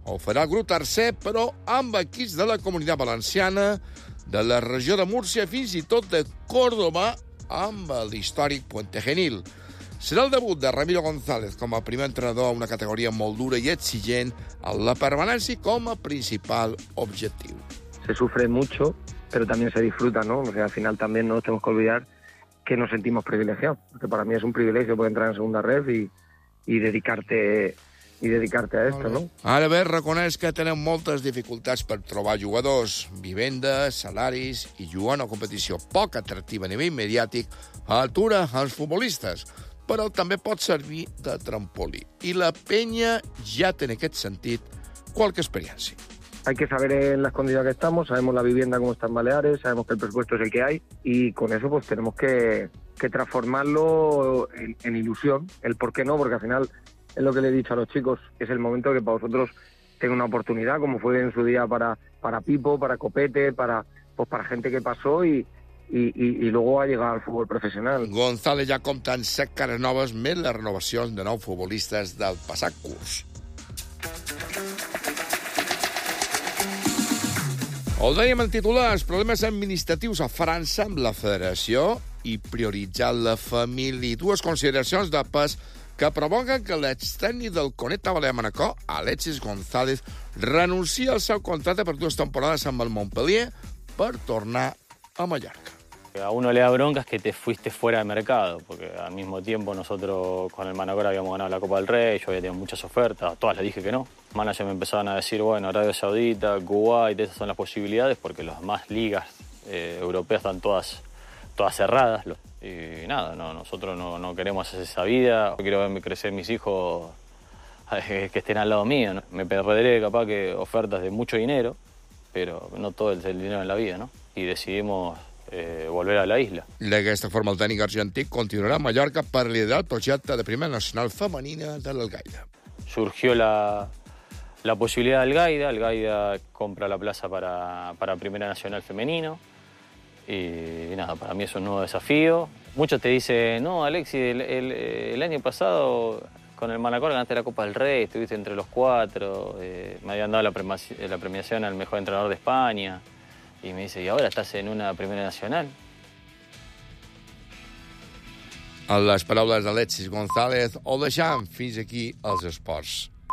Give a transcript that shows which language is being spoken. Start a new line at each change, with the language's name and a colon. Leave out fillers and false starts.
Catalan: Ho farà el grup tercer, però amb equips de la Comunitat Valenciana, de la regió de Múrcia, fins i tot de Còrdoba, amb l'històric Puente Genil. Serà el debut de Ramiro González com a primer entrenador a una categoria molt dura i exigent, amb la permanència com a principal objectiu.
Spanish: Se sufre mucho, pero también se disfruta, ¿no? O sea, al final también no tenemos que olvidar que nos sentimos privilegiados, porque para mí es un privilegio poder entrar en segunda red y dedicarte a esto, ¿no?
Catalan: Ara bé, reconeix que tenen moltes dificultats per trobar jugadors, vivendes, salaris i jugant a competició poc atractiva a nivell mediàtic atura els futbolistes, però també pot servir de trampolí. I la penya ja té en aquest sentit qualque experiència.
Spanish: Hay que saber en las condiciones que estamos, sabemos la vivienda como está en Baleares, sabemos que el presupuesto es el que hay y con eso pues tenemos que transformarlo en ilusión. El por qué no, porque al final es lo que le he dicho a los chicos, es el momento que para vosotros tenga una oportunidad, como fue en su día para Pipo, para Copete, para gente que pasó y luego ha llegado al fútbol profesional.
Catalan: González ya compta en 7 caras noves, més la renovació de 9 futbolistes del passat curs. Ho dèiem en titulars, problemes administratius a França amb la federació i prioritzant la família. Dues consideracions de pes que provoquen que l'extècnic del Conet Abalé a Manacor, Alexis González, renuncia al seu contracte per dues temporades amb el Montpellier per tornar a Mallorca.
Spanish: A uno le da bronca es que te fuiste fuera de mercado, porque al mismo tiempo nosotros con el Manacor habíamos ganado la Copa del Rey, yo había tenido muchas ofertas, todas le dije que no. Manager me empezaban a decir, bueno, Arabia Saudita, Kuwait, esas son las posibilidades, porque las más ligas europeas están todas cerradas. Y nada, no, nosotros no queremos hacer esa vida, quiero ver crecer mis hijos que estén al lado mío, ¿no? Me perderé capaz que ofertas de mucho dinero, pero no todo es el dinero en la vida, ¿no? Y decidimos volver a la isla.
Catalan: D'aquesta forma, el tècnic argentí continuarà a Mallorca per liderar el projecte de primera nacional femenina de l'Algaida.
Spanish: Surgió la posibilidad de Algaida compra la plaza para primera nacional femenino. Y nada, para mí es un nuevo desafío. Muchos te dicen, no, Alexis, el año pasado con el Manacor ganaste la Copa del Rey, estuviste entre los cuatro, me habían dado la premiación al mejor entrenador de España. Y me dice, ¿y ahora estás en una Primera Nacional?
Catalan: En les paraules d'Alexis González, ho deixam fins aquí els esports.